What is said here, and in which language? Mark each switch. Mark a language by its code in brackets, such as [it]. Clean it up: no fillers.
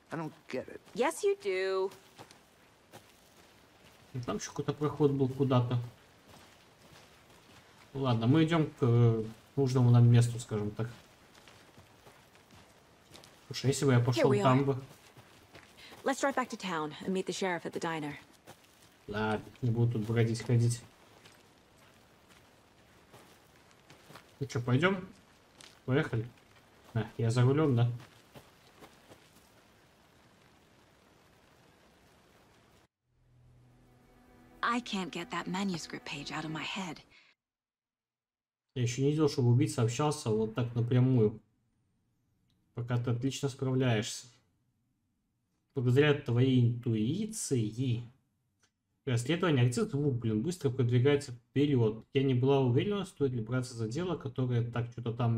[en] I don't get it. Yes, you do. [ru] Там еще какой-то проход был куда-то. Ладно, мы идем к нужному нам месту, скажем так. Слушай, если бы я пошел там бы. [en] Let's drive back to town and meet the sheriff at the diner. [ru] Ладно, не буду тут бродить, ходить. Ну что, пойдем? Поехали. А, я за рулем, да? [en] I can't get that manuscript page out of my head. [ru] Я еще не видел, чтобы убийца общался вот так напрямую. Пока ты отлично справляешься. Благодаря твоей интуиции. Расследование, а где звук, блин, быстро продвигается вперед. Я не была уверена, стоит ли браться за дело, которое так что-то там.